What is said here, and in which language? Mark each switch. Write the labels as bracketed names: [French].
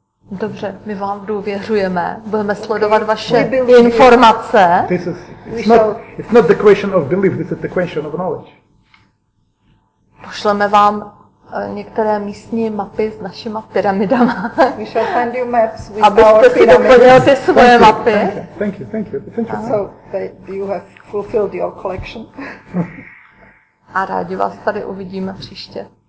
[Czech] Dobře, my vám důvěřujeme. Budeme sledovat vaše informace. [English] This is, it's not the question of belief, this is the question of knowledge. [Czech] Pošleme vám některé místní mapy s našima pyramidama. [English] We shall send you maps with [Czech] abyste si doplnil ty svoje mapy. [English] Thank you. So you have fulfilled your collection. [Czech] A rádi vás tady uvidíme příště.